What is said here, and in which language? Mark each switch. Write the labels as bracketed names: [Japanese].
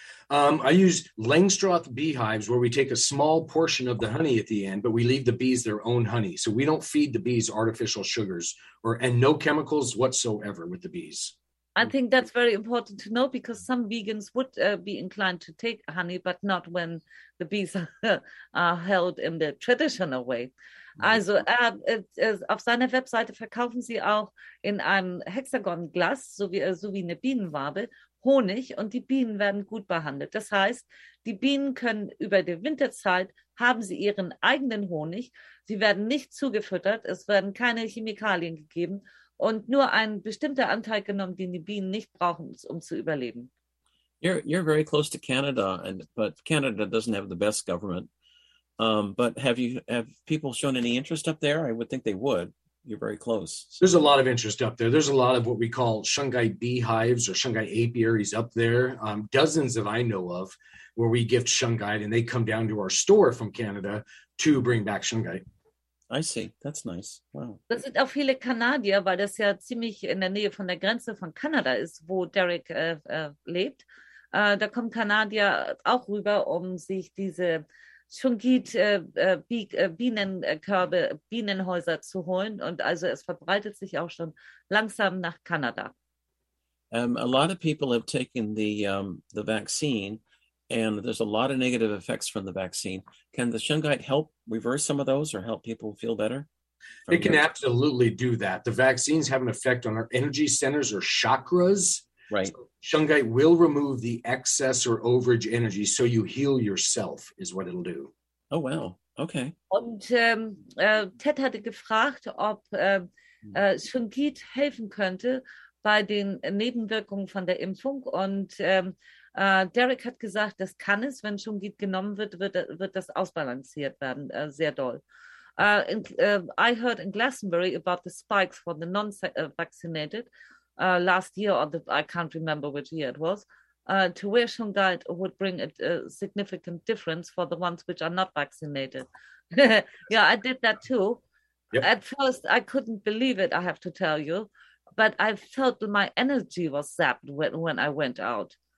[English] I use Langstroth beehives where we take a small portion of the honey at the end, but we leave the bees their own honey. So we don't feed the bees artificial sugars and no chemicals whatsoever with the bees. I think that's very important to know, because some vegans would be inclined to take honey, but not when the bees are held in the traditional way. [German] Also, auf seiner Webseite verkaufen sie auch in einem Hexagonglas, so wie eine Bienenwabe, Honig, und die Bienen werden gut behandelt. Das heißt, die Bienen können über die Winterzeit, haben sie ihren eigenen Honig, sie werden nicht zugefüttert, es werden keine Chemikalien gegeben und nur ein bestimmter Anteil genommen, den die Bienen nicht brauchen, um zu überleben. [English] You're very close to Canada, but Canada doesn't have the best government. But have people shown any interest up there? I would think they would. You're very close. So. There's a lot of interest up there. There's a lot of what we call Shungite beehives or Shungite apiaries up there. Dozens that I know of where we gift Shungite and they come down to our store from Canada to bring back Shungite. I see. That's nice. Wow. [German] Das sind auch viele Kanadier, weil das ja ziemlich in der Nähe von der Grenze von Kanada ist, wo Derek lebt. Da kommen Kanadier auch rüber, um sich diese Bienenkörbe, Bienenhäuser zu holen. Und also es verbreitet sich auch schon langsam nach Kanada. [English] A lot of people have taken the vaccine and there's a lot of negative effects from the vaccine. Can the Shungite help reverse some of those or help people feel better? It can absolutely do that. The vaccines have an effect on our energy centers or chakras. Right. So Shungite will remove the excess or overage energy, so you heal yourself, is what it'll do. Oh, wow. Okay. [German] Und Ted hatte gefragt, ob Shungite helfen könnte bei den Nebenwirkungen von der Impfung. Und Derek hat gesagt, das kann es. Wenn Shungite genommen wird, wird das ausbalanciert werden, sehr doll. [English] I heard in Glastonbury about the spikes for the non-vaccinated. Last year, or I can't remember which year it was, to wear Shungite would bring a significant difference for the ones which are not vaccinated. Yeah, I did that too. Yep. At first, I couldn't believe it, I have to tell you, but I felt that my energy was zapped when I went out.